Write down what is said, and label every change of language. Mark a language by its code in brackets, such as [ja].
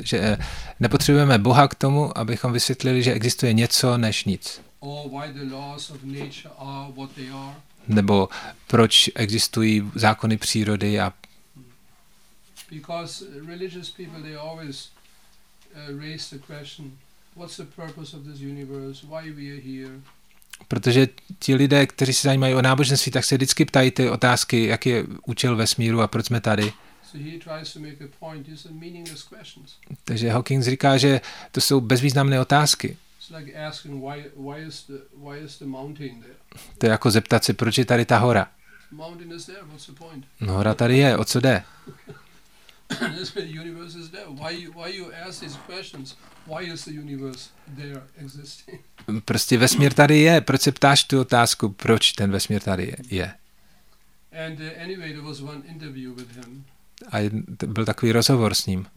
[cs] Že nepotřebujeme Boha k tomu, abychom vysvětlili, že existuje něco než nic. [en] Or why the laws of nature are what they are. [cs] Nebo proč existují zákony přírody a... [en] Because religious people, they always... raise the question, what's the purpose of this universe, why we are here? [cs] Protože ti lidé, kteří se zajímají o náboženství, tak se vždycky ptají ty otázky, jaký je účel vesmíru a proč jsme tady. [en] So he tries to make a point, these are meaningless questions. [cs] Takže Hawking říká, že to jsou bezvýznamné otázky. [en] It's like asking why is the mountain there? [cs] To je jako zeptat se, proč je tady ta hora. [en] Mountain is there, what's the point? [cs] No, hora tady je, o co jde? [en] The universe is there. Why you ask these questions? Why is the universe there existing? [cs] Prostě vesmír tady je. Proč se ptáš tu otázku, proč ten vesmír tady je? [en] And anyway, there was one interview with him. [cs] A byl takový rozhovor s ním.